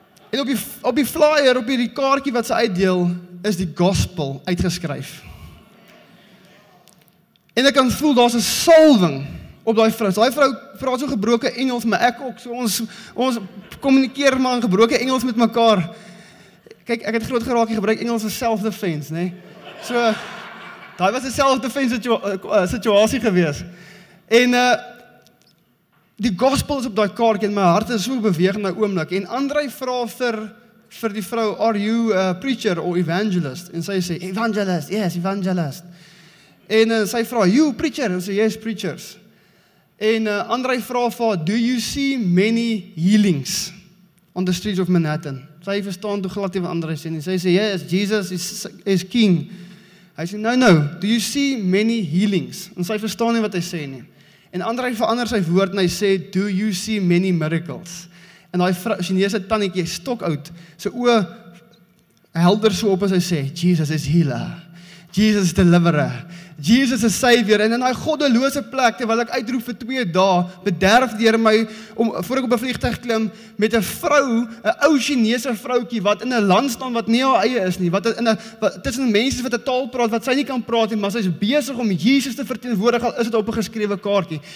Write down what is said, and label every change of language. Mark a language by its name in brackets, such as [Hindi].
[Afrikaans] En op die flyer, op die kaartjie wat sy uitdeel, is die gospel uitgeskryf. En ek kan voel, daar is 'n salving op die vrou. Die vrou praat so gebroken Engels, maar ek ook. So ons communikeer maar in gebroken Engels met mekaar. Kyk, ek het groot geraak, ek gebruik Engels as self-defense, nee. So, daar was 'n self-defense situasie gewees. En die gospel is op die kaartjie en my hart is so beweeg in my oomblik. En Andre vra vir die vrou, [English] are you a preacher or evangelist? [Afrikaans] En sy sê, [English] evangelist, yes, evangelist. [Afrikaans] En sy vra, [English] you preacher? [Afrikaans] En sy sê, [English] yes, preachers. [Afrikaans] En Andre vra vir, [English] do you see many healings on the streets of Manhattan? [Afrikaans] Sy verstaan toe glad die wat Andre sê. En sy sê, [English] yes, Jesus is king. [Afrikaans] Hy sê, [English] no, do you see many healings? [Afrikaans] En sy verstaan nie wat hy sê nie. En Andre verander sy woord en hy sê, [English] do you see many miracles? [Afrikaans] En hy Chinese tannetjie stok oud, sy oë helder so op en hy sê, [English] Jesus is healer, Jesus is deliverer, Jesus is savior. [Afrikaans] En in hy goddelose plek, terwyl ek uitroep vir 2 dae, bederf deur my, om, voor ek op 'n vliegtuig klim, met 'n vrou, 'n ou Chinese vroukie, wat in 'n land staan wat nie haar eie is nie, wat in 'n, tussen mense wat 'n taal praat, wat sy nie kan praat nie, maar sy is besig om Jesus te verteenwoordig, al is dit op 'n geskrewe kaartjie.